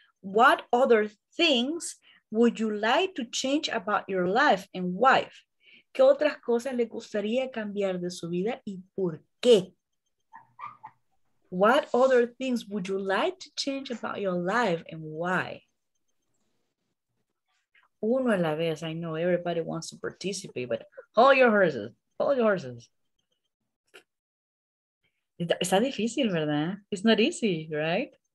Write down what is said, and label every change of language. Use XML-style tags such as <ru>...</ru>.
<en>What other things would you like to change about your life and wife?</en> <es>¿Qué otras cosas le gustaría cambiar de su vida y por qué?</es> <en>What other things would you like to change about your life and why?</en> <es>Uno a la vez.</es> <en>I know everybody wants to participate, but hold your horses. Hold your horses.</en> <es>Está difícil, ¿verdad?</es> <en>It's not easy, right?</en>